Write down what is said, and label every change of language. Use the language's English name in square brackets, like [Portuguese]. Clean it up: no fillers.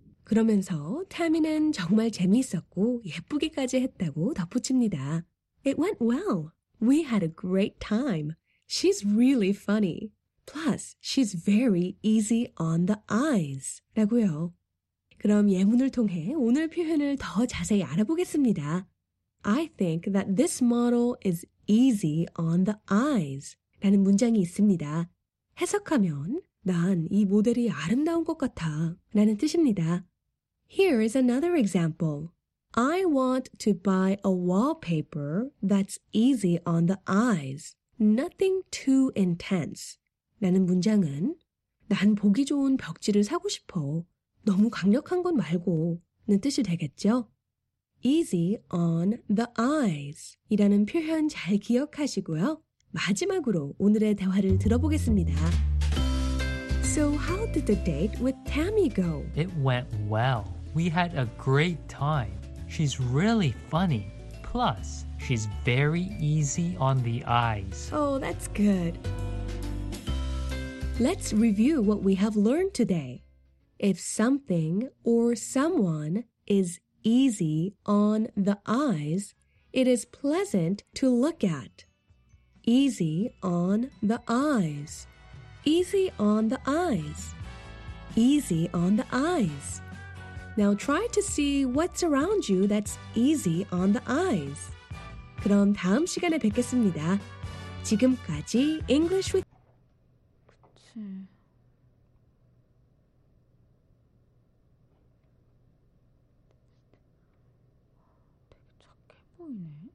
[Korean] 그러면서 태미는 정말 재미있었고 예쁘기까지 했다고 덧붙입니다. [English] It went well. We had a great time. She's really funny. Plus, she's very easy on the eyes. [Korean] 라고요. 그럼 예문을 통해 오늘 표현을 더 자세히 알아보겠습니다. [English] I think that this model is easy on the eyes. [Korean] 라는 문장이 있습니다. 해석하면, 난 이 모델이 아름다운 것 같아. 라는 뜻입니다. [English] Here is another example. I want to buy a wallpaper that's easy on the eyes. Nothing too intense. [Korean] 라는 문장은 난 보기 좋은 벽지를 사고 싶어. 너무 강력한 건 말고 는 뜻이 되겠죠? [English] Easy on the eyes [Korean] 이라는 표현 잘 기억하시고요. 마지막으로 오늘의 대화를 들어보겠습니다. [English] So how did the date with Tammy go? It went well. We had a great time. She's really funny. Plus, she's very easy on the eyes. Oh, that's good. Let's review what we have learned today. If something or someone is easy on the eyes, it is pleasant to look at. Easy on the eyes. Easy on the eyes. Easy on the eyes. Now try to see what's around you that's easy on the eyes. [Korean] 그럼 다음 시간에 뵙겠습니다. 지금까지 English with 되게 착해 보이네.